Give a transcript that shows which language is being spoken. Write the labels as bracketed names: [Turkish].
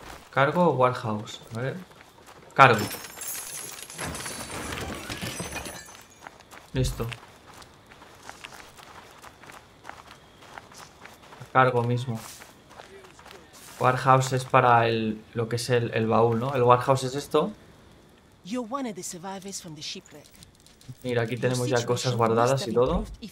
[Spanish] Cargo o warehouse, ¿vale? Cargo. Listo. Cargo mismo. Warehouse es para lo que es el baúl, ¿no? El warehouse es esto. [English] You're one of the survivors from the shipwreck. [Spanish] Mira, aquí tenemos ya cosas guardadas y todo.